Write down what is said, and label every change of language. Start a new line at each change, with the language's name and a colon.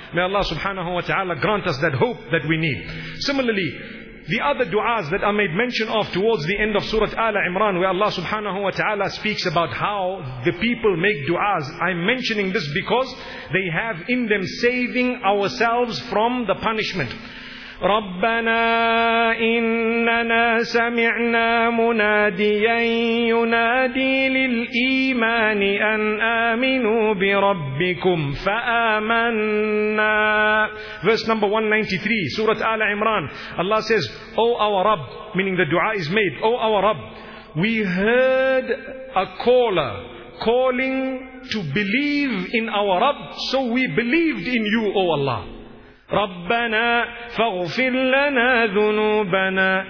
English: May Allah subhanahu wa ta'ala grant us that hope that we need. Similarly, the other du'as that are made mention of towards the end of Surah Ala Imran, where Allah subhanahu wa ta'ala speaks about how the people make du'as. I'm mentioning this because they have in them saving ourselves from the punishment.
Arabic: ربنا إننا سمعنا مناديا ينادي للإيمان أن آمنوا بربكم فآمنا.
English: Verse number 193, Surah Al Imran. Allah says, O our Rabb, meaning the dua is made, O our Rabb, we heard a caller calling to believe in our Rabb, so we believed in you, O Allah.
Arabic: رَبَّنَا فَغْفِرْ لَنَا ذُنُوبَنَا.